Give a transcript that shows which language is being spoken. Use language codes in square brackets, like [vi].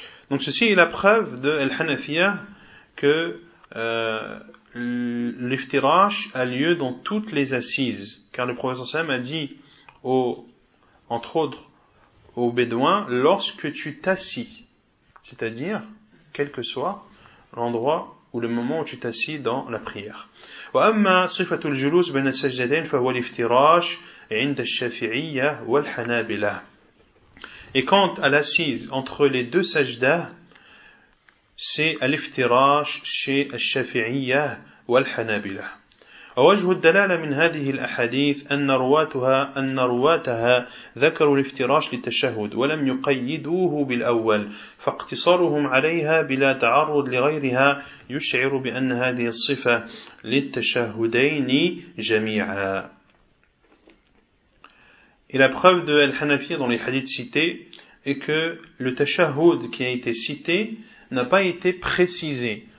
[fr] Donc ceci est la preuve de Al-Hanafiyya que l'iftirash a lieu dans toutes les assises. Car le prophète sallam a dit, entre autres, aux bédouins, lorsque tu t'assis, c'est-à-dire, quel que soit l'endroit ou le moment où tu t'assis dans la prière. [ar] وأما صفة الجلوس بين السجدين فهو الافتراش عند الشافعية والحنابلة. [fr] Et quant à l'assise entre les deux sajdah, c'est الافتراش chez الشافعية والحنابلة. [ar] ووجه الدلالة من هذه الأحاديث أن رواتها ذكروا الافتراش للتشهد ولم يقيدوه بالأول فاقتصارهم عليها بلا تعرض لغيرها يشعر بأن هذه الصفة للتشهدين جميعا. [fr] Et la preuve de Al-Hanafi dans les hadiths cités est que le tashahhud qui a été cité n'a pas été précisé.